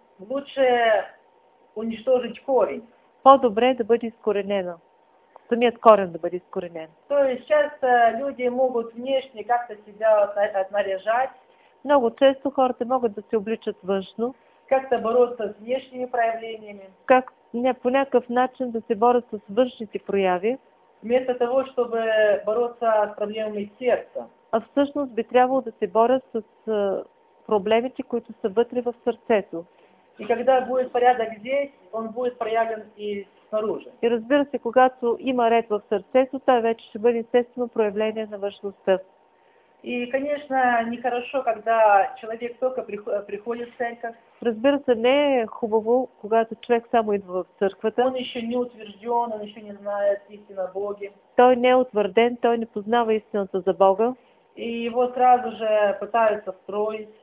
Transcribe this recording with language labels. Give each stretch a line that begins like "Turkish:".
Russian: лучше унищожить корень.
Bulgarian: По-добре да бъде изкоренена. Самият корен да бъде изкоренен.
Russian: То есть часто люди могут внешне как-то себя наряжать.
Bulgarian: Много често хората могат да се обличат външно.
Russian: Как-то бороться с внешними проявлениями.
Bulgarian: Как, не, по някакъв начин да се борят с външните прояви.
Russian: Вместо того, чтобы бороться с проблемами сердца.
Bulgarian: А всъщност би трябвало да се борят с проблемите, които са вътре в сърцето.
Russian: И когда будет порядок здесь, он будет проявлен и снаружи.
Bulgarian: И разбира се, когато има ред в сърцето, това вече ще бъде естествено проявление на външността.
Russian: И, конечно, нехорошо, когда человек только приходит в церковь.
Bulgarian: Разбира се, не е хубаво, когато човек само идва в църквата.
Russian: Он еще не утвержден, он еще не знает истину о Боге.
Bulgarian: Той не е утвърден, той не познава истината за Бога.
Russian: И его сразу же пытаются встроить.